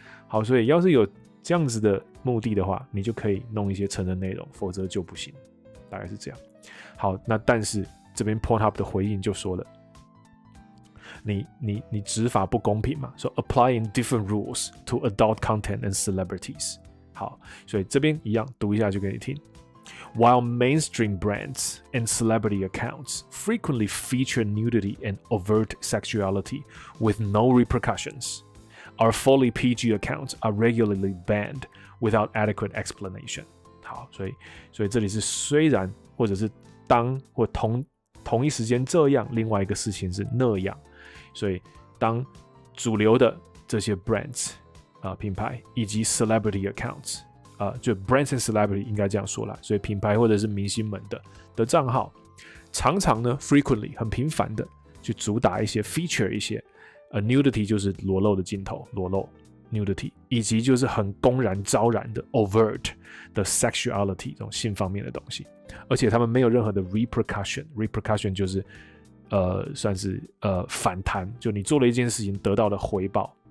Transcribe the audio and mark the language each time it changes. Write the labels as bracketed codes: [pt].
[zh] 好，所以要是有这样子的目的的话，你就可以弄一些成人内容，否则就不行。大概是这样。好，那但是这边 Pornhub 的回应就说了，你执法不公平嘛？ [en] 说 applying different rules to adult content and celebrities。 [zh] 好，所以这边一样读一下就给你听。 [en] While mainstream brands and celebrity accounts frequently feature nudity and overt sexuality with no repercussions, our fully PG accounts are regularly banned without adequate explanation. [zh] 好，所以这里是虽然或者是当或同一时间这样，另外一个事情是那样。所以当主流的这些 brands 啊品牌以及 celebrity accounts。就 [en] brands and celebrity [zh] 应该这样说啦，所以品牌或者是明星们的账号，常常呢 frequently 很频繁的去主打一些 feature 一些 nudity 就是裸露的镜头，裸露 nudity 以及就是很公然昭然的 overt 的 sexuality 这种性方面的东西，而且他们没有任何的 repercussion 就是算是反弹，就你做了一件事情得到的回报。